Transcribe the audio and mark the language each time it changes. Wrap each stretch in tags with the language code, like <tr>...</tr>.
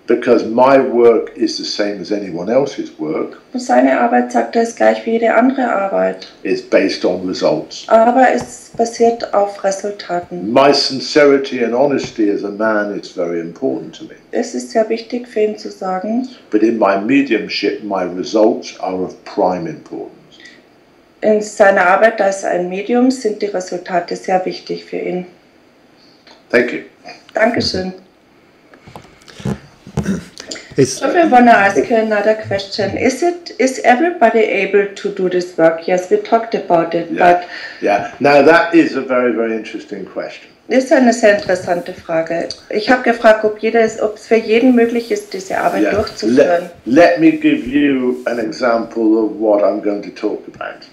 <en>Because my work is the same as anyone else's work.</en> <de>Und seine Arbeit sagt er ist gleich wie jede andere Arbeit.</de> <en>It's based on results.</en> <de>Aber es basiert auf Resultaten.</de> <en>My sincerity and honesty as a man is very important to me.</en> <de>Es ist sehr wichtig für ihn zu sagen.</de> <en>But in my mediumship, my results are of prime importance.</en> <de>In seiner Arbeit als ein Medium sind die Resultate sehr wichtig für ihn.</de> <en>Thank you.</en> <de>Dankeschön.</de> <en>So we want to ask you another question. Is everybody able to do this work? Yes, we talked about it, yeah. But... Yeah, now that is a very, very interesting question.</en> <de>Ist eine sehr interessante Frage. Ich habe gefragt, ob es für jeden möglich ist, diese Arbeit durchzuführen.</de> <en>Let me give you an example of what I'm going to talk about.</en>